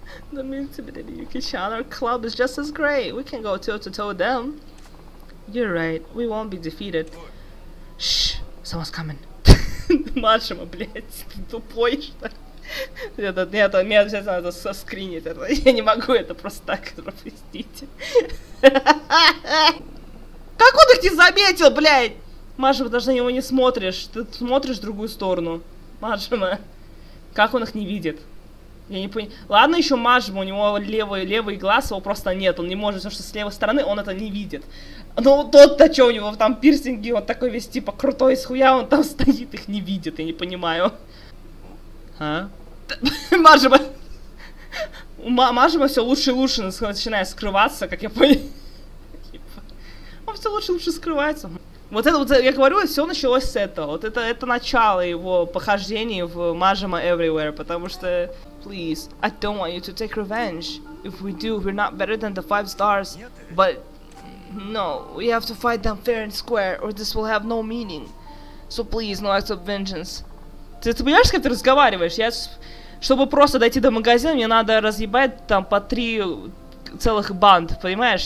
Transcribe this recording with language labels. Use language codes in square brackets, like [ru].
[en] The Mitsubishi Yuki-chan, our club is just as great. We can go toe-to-toe with them. You're right. We won't be defeated. Shh. Someone's coming. [ru] Маршима, блядь, ты тупой, что ли? Нет, мне обязательно надо соскринить это. Я не могу это просто так пропустить. Как он их не заметил, блядь? Маршима, даже на него не смотришь. Ты смотришь в другую сторону. Маршима, как он их не видит? Я не понял. Ладно, еще Мажима, у него левый глаз, его просто нет. Он не может, потому что с левой стороны он это не видит. Но тот-то что у него там пирсинги, он такой весь типа крутой с хуя, он там стоит, их не видит, я не понимаю. А? Мажима. Мажима все лучше и лучше начинает скрываться, как я понял. Он все лучше и лучше скрывается. Вот это вот, я говорю, все началось с этого. Вот это начало его похождений в Мажима Everywhere, потому что... [en] Please, I don't want you to take revenge. If we do, we're not better than the five stars. But no, we have to fight them fair and square, or this will have no meaning. So please, no acts of vengeance. [ru] Ты понимаешь, как ты разговариваешь? Чтобы просто дойти до магазина, мне надо разъебать там по три целых банд, понимаешь?